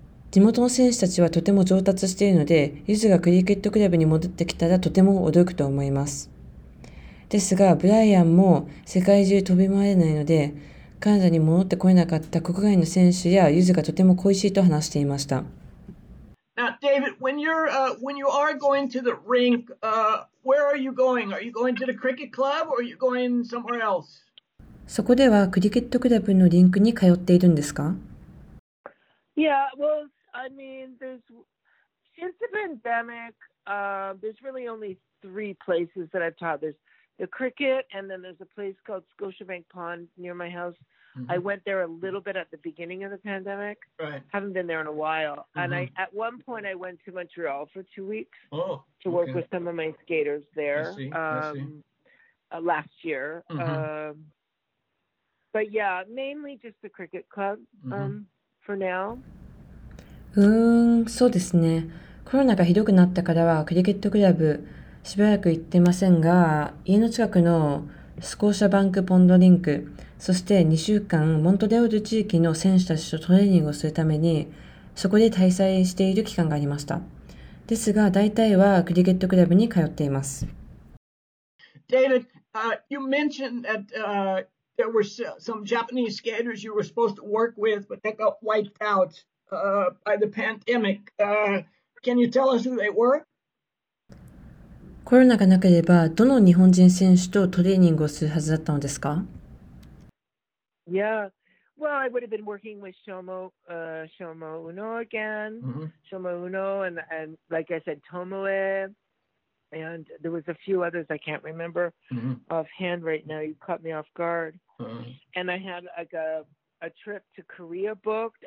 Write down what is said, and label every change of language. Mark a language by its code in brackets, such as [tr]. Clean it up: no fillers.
[ja] 地元の選手たちはとても上達しているので、ユズがクリケットクラブに戻ってきたらとても驚くと思います。ですが、ブライアンも世界中飛び回れないので、カナダに戻ってこえなかった国外の選手やユズがとても恋しいと話していました。 [en] Now, David, when you are going to the rink, where are you going? Are you going to the cricket club or are you going somewhere else? [ja] そこではクリケットクラブのリンクに通っているんですか? [en] Yeah, well, I mean, since the pandemic, there's really only three places that I've taught. There's the cricket, and then there's a place called Scotiabank Pond near my house. Mm-hmm. I went there a little bit at the beginning of the pandemic. Right. Haven't been there in a while. Mm-hmm. And I, at one point, I went to Montreal for 2 weeks to work with some of my skaters there I see. Last year. Mm-hmm. But yeah, mainly just the cricket club for now. [ja] そうですね。コロナがひどくなったからはクリケットクラブしばらく行ってませんが、家の近くのスコーシャバンクポンドリンク、そして2週間モントレオール地域の選手たちとトレーニングをするためにそこで滞在している期間がありました。ですが大体はクリケットクラブに通っています。 [en] David, you mentioned that there were some Japanese skaters you were supposed to work with, but they got wiped out by the pandemic. Can you tell us who they were? [ja] コロナがなければ、どの日本人選手とトレーニングをするはずだったのですか？ [en] Yeah, well, I would have been working with Shomo Uno again, Shomo Uno, and like I said, Tomoe, and there was a few others I can't remember offhand right now. You caught me off guard. And I had like a trip to Korea booked.